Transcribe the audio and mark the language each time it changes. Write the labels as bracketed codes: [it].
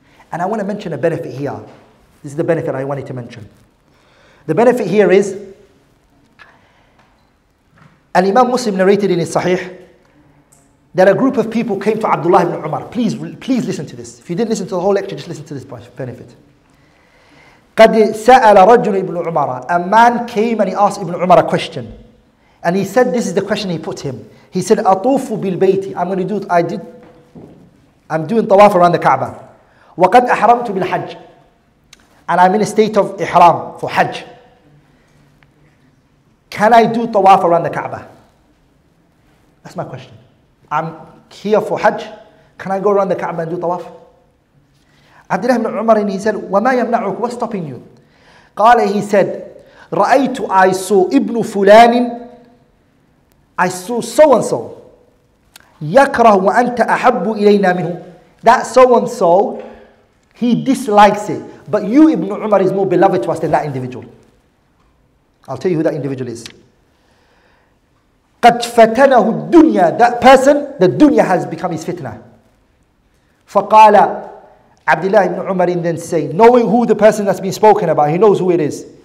[en] And I want to mention a benefit here. This is the benefit I wanted to mention. The benefit here is, Al-Imam Muslim narrated in his Sahih, that a group of people came to Abdullah ibn Umar. Please listen to this. If you didn't listen to the whole lecture, just listen to this benefit. [ar] قَدْ سَأَلَ رَجُّنُ ibn Umar. [en] A man came and he asked Ibn Umar a question. And he said, this is the question he put to him. He said, [ar] "Atufu bil bayti." [en] I'm going to do. I'm doing tawaf around the Kaaba. [ar] وَقَدْ أَحْرَمْتُ بِالْحَجِّ. [en] And I'm in a state of ihram for Hajj. Can I do tawaf around the Kaaba? That's my question. I'm here for Hajj. Can I go around the Kaaba and do tawaf? Abdullah ibn Umar, and he said, [ar] "وَمَا يَمْنَعُكَ? [en] What's stopping you?" [ar] قَالَ. [en] He said, [ar] "رَأَيْتُ [en] I saw ibn Fulanin. I saw so-and-so, [ar] يَكْرَهُ وَأَنْتَ أَحَبُّ إِلَيْنَا مِنْهُ. [en] That so-and-so, he dislikes it. But you, Ibn Umar, is more beloved to us than that individual. I'll tell you who that individual is. [ar] قَدْ فَتَنَهُ الدُّنْيَا. [en] That person, the dunya has become his fitna. [ar] فَقَالَ [en] Abdullah Ibn Umar, in then say, knowing who the person that's been spoken about, he knows who it is.